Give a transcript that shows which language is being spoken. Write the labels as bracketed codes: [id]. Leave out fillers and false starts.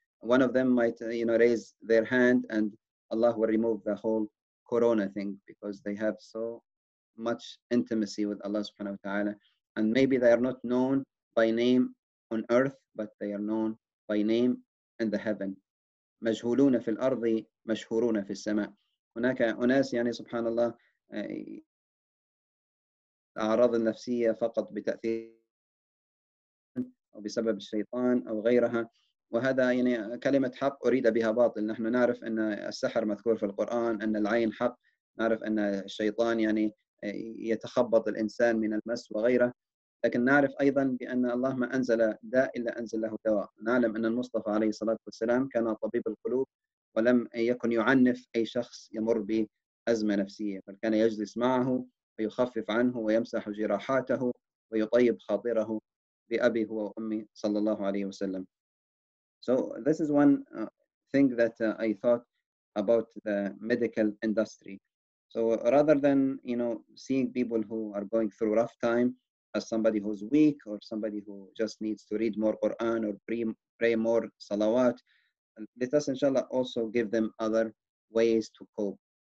[en] One of them might, you know, raise their hand and Allah will remove the whole corona thing, because they have so much intimacy with Allah subhanahu wa ta'ala. And maybe they are not known by name on earth, but they are known by name in the heaven. [ar] مجهولون في الأرض مشهورون في السماء. هناك أناس يعني سبحان الله أعراض نفسية فقط بتأثير أو بسبب الشيطان أو غيرها. وهذا يعني كلمة حق أريد بها باطل. نحن نعرف أن السحر مذكور في القرآن، أن العين حق، نعرف أن الشيطان يعني يتخبط الإنسان من المس وغيره. لكن نعرف أيضا بأن الله ما أنزل داء إلا أنزله دواء. نعلم أن المصطفى عليه الصلاة والسلام كان طبيب القلوب ولم يكن يعنف أي شخص يمر بأزمة نفسية، بل كان يجلس معه ويخفف عنه ويمسح جراحاته ويطيب خاطره بأبي هو وأمي صلى الله عليه وسلم. [en] So this is one thing that I thought about the medical industry. So rather than, you know, seeing people who are going through rough time as somebody who's weak or somebody who just needs to read more Quran or pray more salawat, let us inshallah also give them other ways to cope.